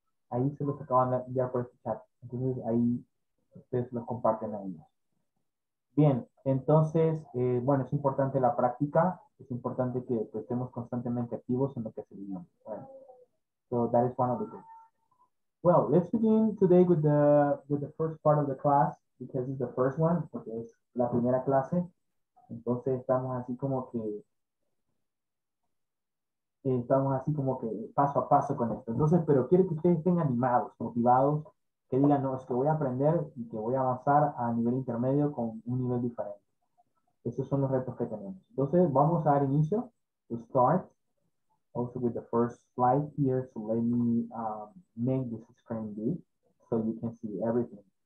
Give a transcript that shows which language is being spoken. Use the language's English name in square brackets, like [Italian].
[Spanish] Ahí se los acaban de enviar por este chat. Entonces ahí ustedes lo comparten ahí. Bien, entonces, bueno, es importante la práctica. Es importante que pues, estemos constantemente activos en lo que se viene. [English] Right. So that is one of the things. Well, let's begin today with the first part of the class, because it's the first one, [Spanish] porque es la primera clase. Entonces estamos así como que paso a paso con esto. Entonces, pero quiero que ustedes estén animados, motivados, que digan, no, es que voy a aprender y que voy a avanzar a nivel intermedio con un nivel diferente. Esos son los retos que tenemos. Entonces, vamos a dar inicio. [English] To start, also with the first slide here, so let me make this screen big so you can see everything.